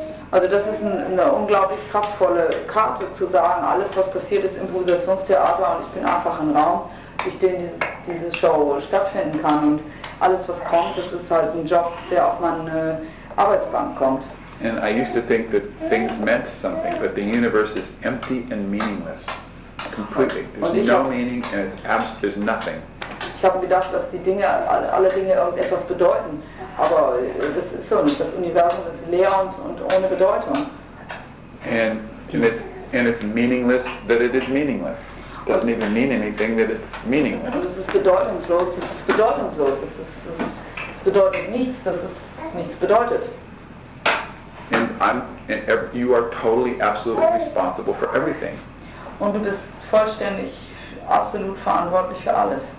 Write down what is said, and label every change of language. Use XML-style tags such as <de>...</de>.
<de>Also das ist eine unglaublich kraftvolle Karte zu sagen, alles was passiert ist Improvisationstheater und ich bin einfach ein Raum, durch den diese Show stattfinden kann und alles was kommt, das ist halt ein Job, der auf meine Arbeitsbank kommt.</de> <en>And I used to think that things meant something, but the universe is empty and meaningless, completely. There's no meaning and it's absolute, there's nothing.</en> <de>Ich habe gedacht, dass die Dinge, alle Dinge irgendetwas bedeuten. Aber das ist so nicht. Das Universum ist leer und ohne Bedeutung.</de> <en>And it's meaningless that it is meaningless. It doesn't even mean anything that it's meaningless.</en> <de>Und es ist bedeutungslos. Es bedeutet nichts, dass es nichts bedeutet.</de> <en>And you are totally absolutely responsible for everything.</en> <de>Und du bist vollständig absolut verantwortlich für alles.</de>